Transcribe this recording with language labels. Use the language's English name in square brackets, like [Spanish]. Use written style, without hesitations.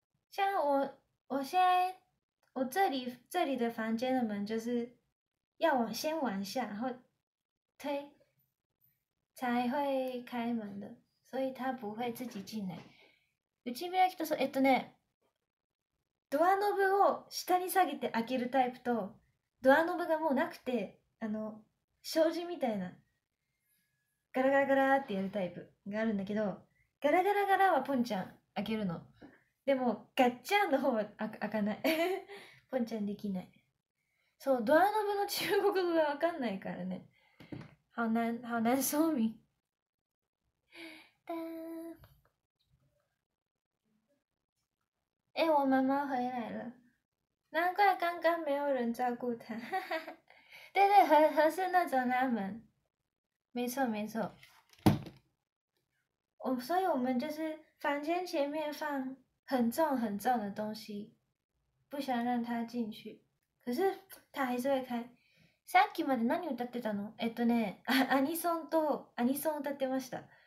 [Chinese] 像我现在。我这里的房间的门就是要往先往下，然后推才会开门的，所以他不会自己进来。 [Japanese] うちみらきとそう、ね、ドアノブを下に下げて開けるタイプと、ドアノブがもうなくて、あの障子みたいなガラガラガラってやるタイプがあるんだけど、ガラガラガラはポンちゃん開けるの。でもガッチャンの方は開かない。ポンちゃんできない。そう、ドアノブの中国語が分かんないからね。好難、好難そうみ。 [Chinese] え、我妈妈回来了。難怪刚刚没有人照顾他。对对，合适那种拉门。没错没错。所以我们就是房间前面放。很重很重的东西，不想让他进去。可是他还是会开。 [Japanese] さっきまで何歌ってたの？ね、アニソンとアニソン歌ってました。